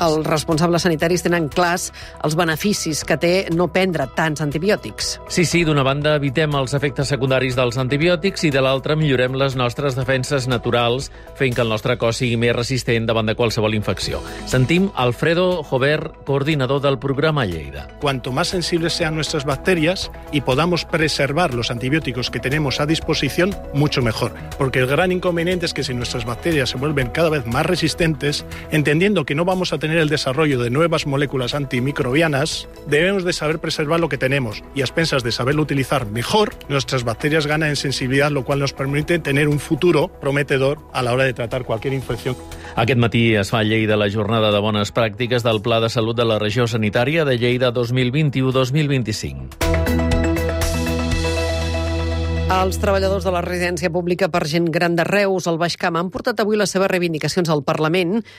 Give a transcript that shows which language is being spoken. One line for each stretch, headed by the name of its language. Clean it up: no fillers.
Catalan: Els responsables sanitaris tenen clars els beneficis que té no prendre tants antibiòtics. Sí, sí, d'una banda evitem els efectes secundaris dels antibiòtics i de l'altra millorem les nostres defenses naturals, fent que el nostre cos sigui més resistent davant de qualsevol infecció. Sentim Alfredo Jover, coordinador del programa Lleida.
Spanish: Cuanto más sensibles sean nuestras bacterias y podamos preservar los antibióticos que tenemos a disposición, mucho mejor. Porque el gran inconveniente es que si nuestras bacterias se vuelven cada vez más resistentes, entendiendo que no vamos a tener el desarrollo de nuevas moléculas antimicrobianas, debemos de saber preservar lo que tenemos. Y a expensas de saberlo utilizar mejor, nuestras bacterias ganan en sensibilidad, lo cual nos permite tener un futuro prometedor a la hora de tratar cualquier infección.
Catalan: Aquest matí es fa a Lleida la jornada de bones pràctiques del Pla de Salut de la Regió Sanitària de Lleida 2021-2025. Els treballadors de la residència pública per gent gran de Reus, al Baix Camp, han portat avui les seves reivindicacions al Parlament.